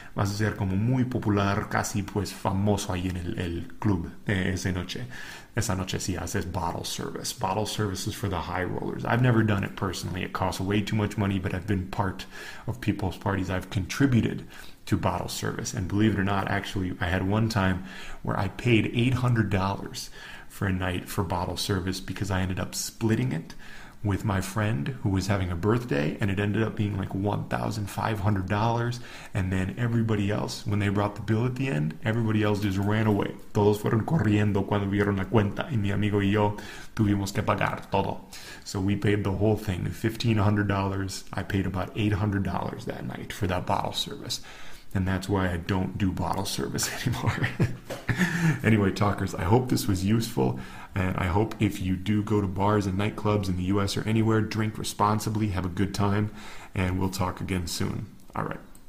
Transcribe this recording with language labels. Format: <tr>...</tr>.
<es>Vas a ser como muy popular, casi pues famoso ahí en el club esa noche, sí, haces bottle service.</es> <en>Bottle service is for the high rollers. I've never done it personally. It costs way too much money, but I've been part of people's parties. I've contributed to bottle service. And believe it or not, actually, I had one time where I paid $800 for a night for bottle service because I ended up splitting it with my friend who was having a birthday, and it ended up being like $1,500. And then everybody else, when they brought the bill at the end, everybody else just ran away.</en> <es>Todos fueron corriendo cuando vieron la cuenta, y mi amigo y yo tuvimos que pagar todo.</es> <en>So we paid the whole thing, $1,500. I paid about $800 that night for that bottle service. And that's why I don't do bottle service anymore. Anyway, talkers, I hope this was useful. And I hope if you do go to bars and nightclubs in the U.S. or anywhere, drink responsibly, have a good time, and we'll talk again soon. All right.</en>